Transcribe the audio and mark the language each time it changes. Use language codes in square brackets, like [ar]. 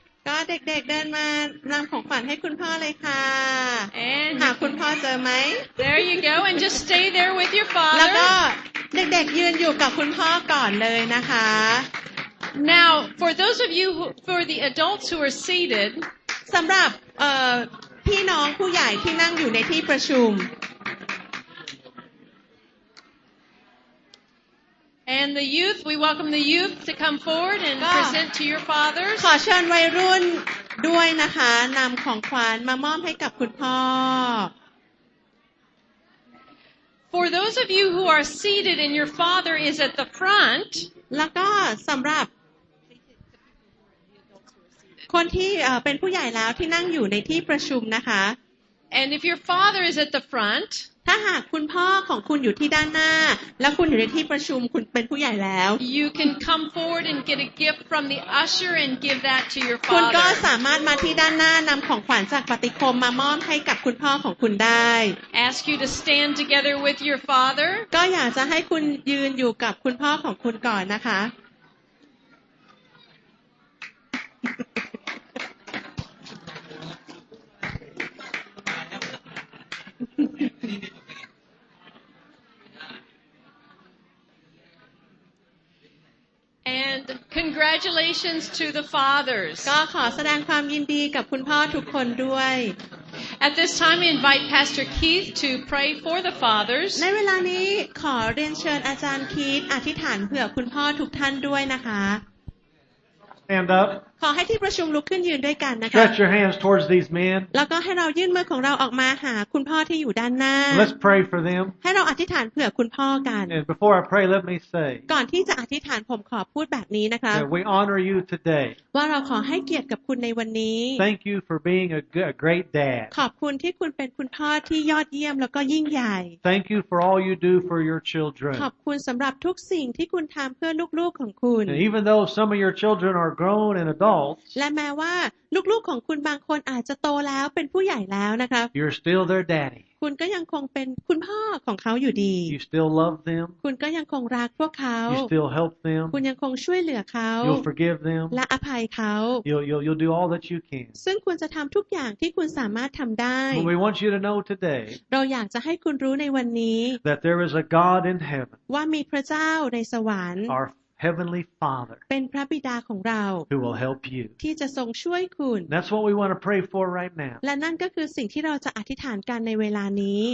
[th] ก็เด็กๆเดินมานำของขวัญให้คุณพ่อเลยค่ะ [en] And [th] หาคุณพ่อเจอไหม [en] There you go and just stay there with your father. [th] แล้วก็เด็กๆยืนอยู่กับคุณพ่อก่อนเลยนะคะ [en] Now for those of you for the adults who are seated. [th] สำหรับพี่น้องผู้ใหญ่ที่นั่งอยู่ในที่ประชุม [en] And the youth, we welcome the youth to come forward and present to your fathers. [th] ขอเชิญวัยรุ่นด้วยนะคะนำของขวัญมามอบให้กับคุณพ่อ [en] For those of you who are seated and your father is at the front. [th] แล้วก็สำหรับคนที่เป็นผู้ใหญ่แล้วที่นั่งอยู่ในที่ประชุมนะคะ [en] And if your father is at the front. [th] ถ้า้าหากคุณพ่อของคุณอยู่ที่ด้านหน้าและคุณอยู่ในที่ประชุมคุณเป็นผู้ใหญ่แล้ว [en] You can come forward and get a gift from the usher and give that to your father [th] คุณก็สามารถมาที่ด้านหน้านำของขวัญจากปฏิคมมามอบให้กับคุณพ่อของคุณได้ [en] Ask you to stand together with your father [th] ก็อยากจะให้คุณยืนอยู่กับคุณพ่อของคุณก่อนนะคะ [en] And congratulations to the fathers. [th] ก็ขอแสดงความยินดีกับคุณพ่อทุกคนด้วย [en] At this time, we invite Pastor Keith to pray for the fathers. [th] ในเวลานี้ขอเรียนเชิญอาจารย์คีธอธิษฐานเพื่อคุณพ่อทุกท่านด้วยนะคะ [en] Stand up. [th] ขอให้ที่ประชุมลุกขึ้นยืนด้วยกันนะคะ [en] Stretch your hands towards these men. [th] แล้วก็ให้เรายื่นมือของเราออกมาหาคุณพ่อที่อยู่ด้านหน้า [en] Let's pray for them. [th] ให้เราอธิษฐานเผื่อคุณพ่อกัน [en] And before I pray, let me say. [th] ก่อนที่จะอธิษฐานผมขอพูดแบบนี้นะคะ [en] We honor you today. [th] ว่าเราขอให้เกียรติกับคุณในวันนี้ [en] Thank you for being a great dad. [th] ขอบคุณที่คุณเป็นคุณพ่อที่ยอดเยี่ยมแล้วก็ยิ่งใหญ่ [en] Thank you for all you do for your children. [th] ขอบคุณสำหรับทุกสิ่งที่คุณทำเพื่อลูกๆของคุณ [en] Even though some of your children are grown and [th] และแม้ว่าลูกๆของคุณบางคนอาจจะโตแล้วเป็นผู้ใหญ่แล้วนะคะ [en] You're still their daddy [th] คุณก็ยังคงเป็นคุณพ่อของเขาอยู่ดี [en] You still love them [th] คุณก็ยังคงรักพวกเขา [en] You still help them [th] คุณยังคงช่วยเหลือเขา [en] You'll forgive them [th] และอภัยเขา [en] You'll do all that you can [th] ซึ่งคุณจะทำทุกอย่างที่คุณสามารถทำได้ [en] But we want you to know today [th] เราอยากจะให้คุณรู้ในวันนี้ [en] That there is a God in heaven [th] ว่ามีพระเจ้าในสวรรค์ [en] Heavenly Father, [th] เป็นพระบิดาของเรา [en] who will help you, [th] ที่จะทรงช่วยคุณ [en] That's what we want to pray for right now. [th] และนั่นก็คือสิ่งที่เราจะอธิษฐานกันในเวลานี้